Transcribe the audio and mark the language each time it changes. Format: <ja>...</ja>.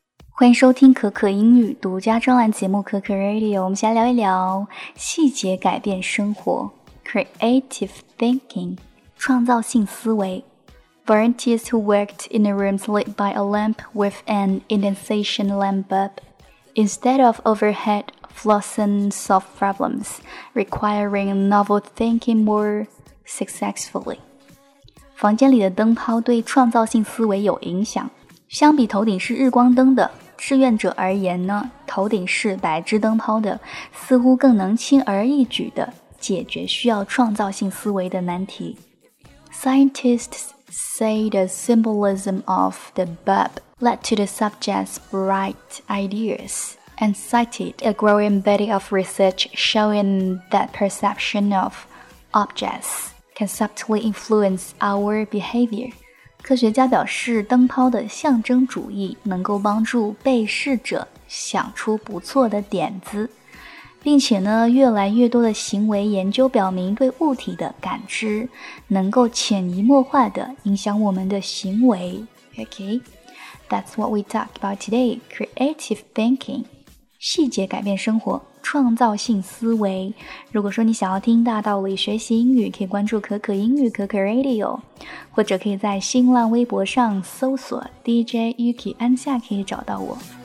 <zh>欢迎收听可可英语独家专栏节目可可 Radio， 我们先来聊一聊细节改变生活 Creative Thinking 创造性思维。</zh> <en>Volunteers who worked in a room lit by a lamp with an indentation lamp bulb instead of overhead fluorescent solved problems requiring novel thinking more successfully。</en> <zh>房间里的灯泡对创造性思维有影响，相比头顶是日光灯的志愿者而言呢，头顶是白炽灯泡的似乎更能轻而易举地解决需要创造性思维的难题。</zh> <en>Scientists say the symbolism of the bulb led to the subject's bright ideas and cited a growing body of research showing that perception of objects can subtly influence our behavior。</en> <zh>科学家表示，灯泡的象征主义能够帮助被试者想出不错的点子，并且呢，越来越多的行为研究表明，对物体的感知能够潜移默化地影响我们的行为。</zh> <en>Okay, that's what we talk about today.</en> <zh>Creative thinking, 细节改变生活，创造性思维。如果说你想要听大道理学习英语，可以关注可可英语可可 Radio， 或者可以在新浪微博上搜索 DJ Yuki 安夏，可以找到我。</zh>